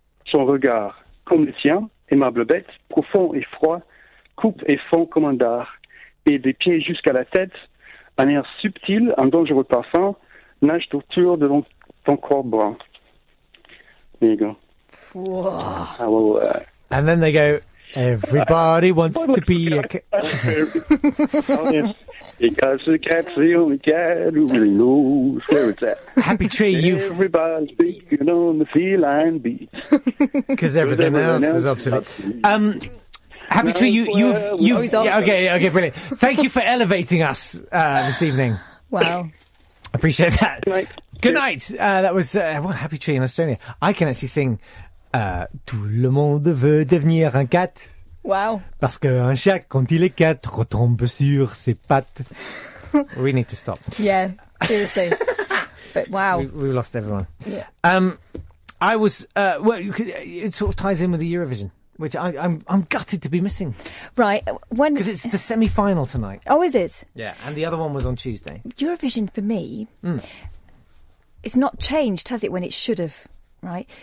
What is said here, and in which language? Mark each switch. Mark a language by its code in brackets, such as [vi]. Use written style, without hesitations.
[fr] Son regard, comme le tien, aimable bête, profond et froid, coupe et fond comme un dard, et des pieds jusqu'à la tête, un air subtil, un dangereux parfum, nage autour de ton corps brun. [en] There you go. Wow. And then they go, everybody wants to be a cat. Because the cat's the only cat who really knows where it's at. Happy tree, you. Everybody's speaking on the feline beat. Because everything else is obsolete. Happy tree, okay, brilliant. Thank you for elevating us this evening. Wow. Appreciate that. Good night. That was Happy Tree in Estonia. I can actually sing [fr] Tout le monde veut devenir un cat. [en] Wow. [fr] Parce qu'un chat, quand il est quatre, retombe sur ses pattes. [en] We need to stop. Yeah. Seriously. But wow. We lost everyone. Yeah. I was, well, you could, it sort of ties in with the Eurovision, which I'm gutted to be missing. Right. When? Because it's the semi-final tonight. Oh, is it? Yeah. And the other one was on Tuesday. Eurovision for me, it's not changed, has it, when it should have, right?